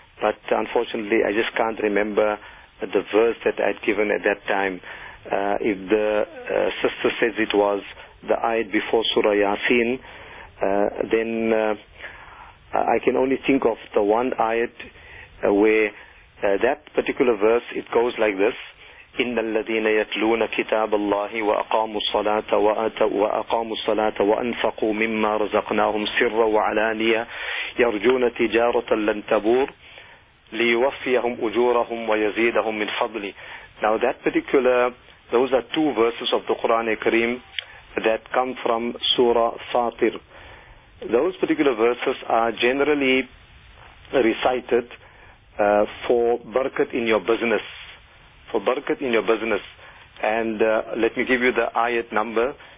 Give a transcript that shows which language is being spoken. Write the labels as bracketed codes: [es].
[en] But unfortunately, I just can't remember the verse that I'd given at that time. If the sister says it was the ayat before Surah Yasin, then I can only think of the one ayat where that particular verse, it goes like this. [ar] إن الذين يتلون كتاب الله وأقاموا الصلاة وأقاموا الصلاة وأنفقوا مما رزقناهم سرا وعلانية يرجون تجارة لن تبور ليوفيهم أجورهم ويزيدهم من فضله. [en] Now that particular, those are two verses of the Quran Kareem that come from Surah Fatir. Those particular verses are generally recited for barakat in your business. For barakat in your business. And let me give you the ayat number.